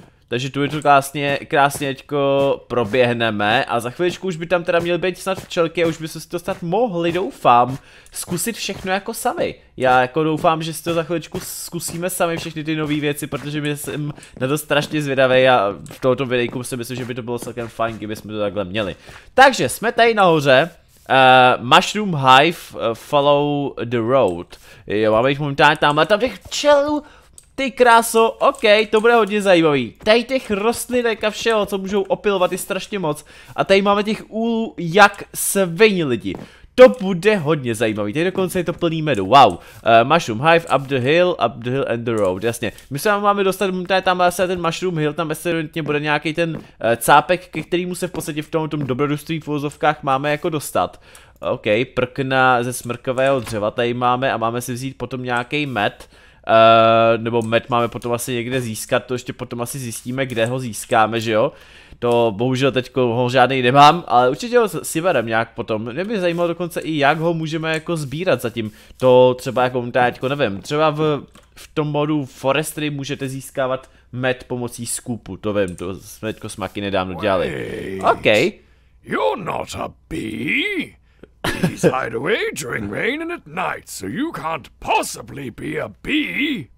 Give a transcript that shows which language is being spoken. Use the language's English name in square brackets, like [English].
[Czech] Takže tu je to krásně teďko proběhneme a za chviličku už by tam teda měly být snad včelky a už by se to snad mohli, doufám, zkusit všechno jako sami. Já jako doufám, že si to za chviličku zkusíme sami všechny ty nové věci, protože jsem na to strašně zvědavý a v tomto videjku si myslím, že by to bylo celkem fajn, kdyby jsme to takhle měli. Takže jsme tady nahoře. [English] Mushroom Hive, follow the road. [Czech] Jo, máme jich momentálně tamhle, tam těch čelů, ty kráso, OK, to bude hodně zajímavý. Tady těch rostlinek a všeho, co můžou opilovat, je strašně moc. A tady máme těch úlů, jak svině lidi. To bude hodně zajímavý, tady dokonce je to plný medu, wow. [English] Mushroom Hive, up the hill and the road, [Czech] jasně. My se máme dostat momentálně tamhle asi ten Mushroom Hill, tam evidentně bude nějaký ten cápek, ke kterému se v podstatě v tom dobrodružství v uvozovkách máme jako dostat. OK, prkna ze smrkového dřeva tady máme a máme si vzít potom nějaký med. Nebo med máme potom asi někde získat, to ještě potom asi zjistíme, kde ho získáme, že jo. To bohužel teď ho žádný nemám, ale určitě ho si berem nějak potom. Mě by zajímalo dokonce i jak ho můžeme jako sbírat zatím. To třeba jako teďko nevím, třeba v tom modu forestry můžete získávat med pomocí skupu, to vím, to jsme teďko s Maky nedávno dělali. OK. [English] You're not a bee. Bees hide away during rain and at night, so you can't possibly be a bee.